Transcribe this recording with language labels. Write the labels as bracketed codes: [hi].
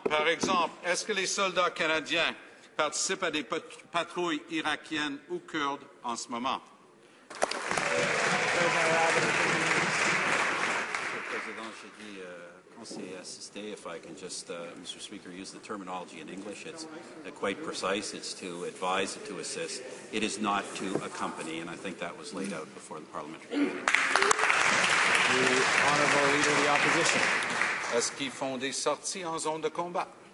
[fr] Par exemple, est-ce que les soldats canadiens participent à des patrouilles irakiennes ou kurdes en ce moment? Monsieur le Président, j'ai dit conseiller assisté, [en] if I can just, Mr. Speaker, use the terminology in English. It's quite precise. It's to advise and to assist. It is not to accompany, and I think that was laid out before the parliamentary committee. The Honourable Leader of the Opposition. [fr] Est-ce qu'ils font des sorties en zone de combat?